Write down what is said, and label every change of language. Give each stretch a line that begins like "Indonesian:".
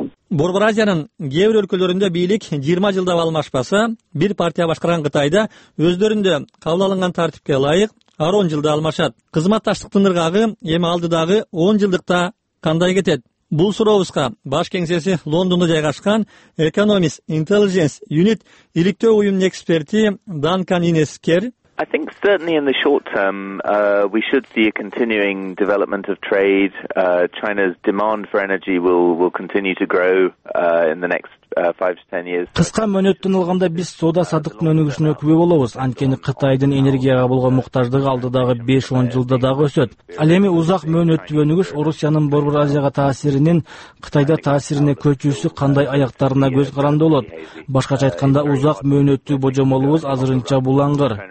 Kyrgyz: Борбор Азиянын кээ бир өлкөлөрүндө бийлик 20 жылдап алмашпаса, бир партия башкарган Кытайда өздөрүндө кабыл алынган тартипке ылайык 10 жылда алмашат. Кызматташтыктын ыргагы эми алдыдагы 10 жылдыкта кандай кетет? Бул сурообузга баш кеңсеси Лондондо жайгашкан Economist Intelligence Unit иликтөө уюмунун эксперти Данкан Инескер.
English: I think certainly in the short term we should see a continuing development of trade. China's demand for energy will continue to grow in the next 5-10 years.
Kyrgyz: Кыска мөөнөттүн алганда биз соода садыктын өнүгүшүнө күбө болобуз, анткени Кытайдын энергияга болгон муктаждыгы алдыдагы 5-10 жылда дагы өсөт. Ал эми узак мөөнөттүү өнүгүш Орусиянын Борбор Азияга таасиринин Кытайда таасирине көчүүсү кандай аяктарына көз каранды болот. Башкача айтканда, узак мөөнөттүү божомолубуз азырынча булаңгыр.